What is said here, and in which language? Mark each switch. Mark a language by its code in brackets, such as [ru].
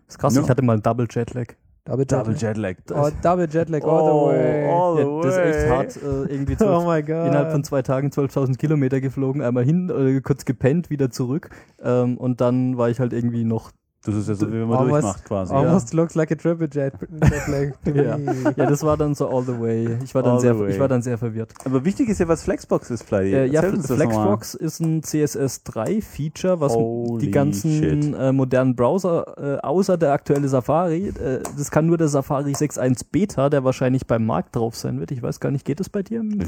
[de] Ist krass, ich hatte mal einen Double Jetlag. Double Jetlag. [en] Double Jetlag all the way. [de] Ja, das ist echt hart. Irgendwie innerhalb von 2 Tagen 12.000 Kilometer geflogen. Einmal hin, kurz gepennt, wieder zurück. Und dann war ich halt irgendwie noch... Das ist ja so, wie man almost, durchmacht quasi. [en] Almost looks like a triple jetlag. [de] Ja, das war dann so [en] all the way. [de] Ich war dann sehr verwirrt. Aber wichtig ist ja, was Flexbox ist, Flydie. Flexbox ist ein CSS3-Feature, was die ganzen modernen Browser, außer der aktuelle Safari, das kann nur der Safari 6.1 Beta, der wahrscheinlich beim Markt drauf sein wird. Ich weiß gar nicht, geht das bei dir?